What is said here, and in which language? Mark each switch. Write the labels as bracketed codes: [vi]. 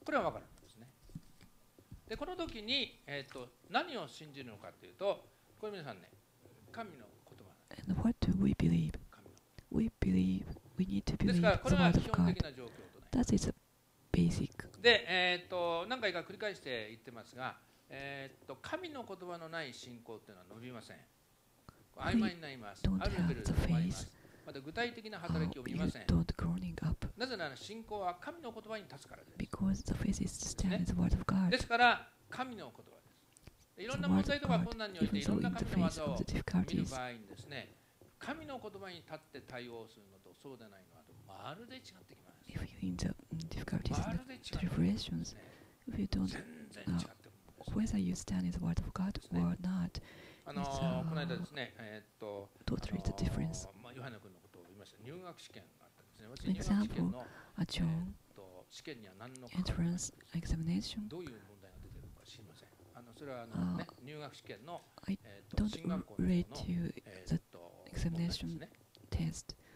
[ja] これは分かるんですね。で、この時に、何を信じるのかというと、これ皆さんね、神の言葉。 [en] And what do we believe? We believe we need to believe the word of God. That is a basic. [ja] で、何回か繰り返して言ってますが、神の言葉のない信仰というのは伸びません。曖昧になります。あるレベルで困ります。また具体的な働きを見ません。 [en] You don't growing up. [ja] なぜなら信仰は神の言葉に立つからです。 [en] Because the faith is standing the word of God. [ja] ですから神の言葉です。いろんな問題とか困難においていろんな神の技を見る場合にですね、神の言葉に立って対応するのとそうでないのはまるで違ってきます。 [en] If you're in the difficulties and tribulations, if you don't whether you stand in the word of God or not. [ja] この間ですね、 [en] totally the difference. [ja] まあ、ヨハネ君のことを言いました。入学試験があったんですね。私、入学試験の、試験には何の関係があるんですか？Entrance, どういう問題が出てるのか知りません。それは、ね、入学試験の、進学校の、 [en] examination test.